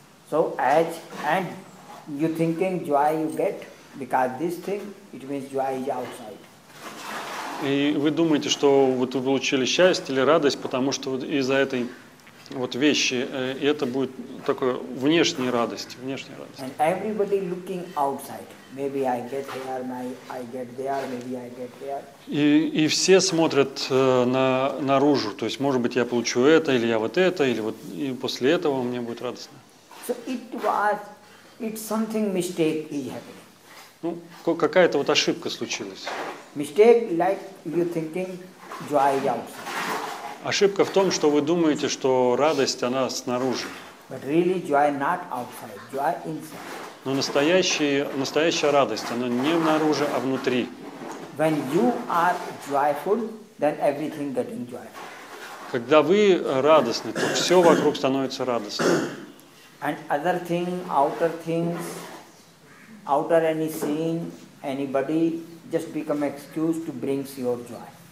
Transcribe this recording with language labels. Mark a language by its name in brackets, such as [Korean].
[English] So as and you thinking joy you get because this thing it means joy is outside. [Russian] И вы думаете, что вот вы получили счастье или радость, потому что вот из-за этой вот вещи, и это будет такой внешняя радость. [English] And everybody looking outside. Maybe I get here, I get there, maybe I get there. [Russian] И все смотрят наружу, то есть, может быть, я получу это, или я вот это, или вот и после этого мне будет радостно. [English] So it's something mistake is happening. [Russian] Ну, какая-то вот ошибка случилась. [English] Mistake like you thinking joy is outside. [Russian] Ошибка в том, что вы думаете, что радость она снаружи. [English] But really joy not outside, joy inside. [Russian] Но настоящая радость, она не внаружи, а внутри. [English] When you are joyful, then everything getting joyful. [Russian] Когда вы радостны, то все вокруг становится радостным. [English] And other things, outer any scene, anybody just become excuse to bring your joy.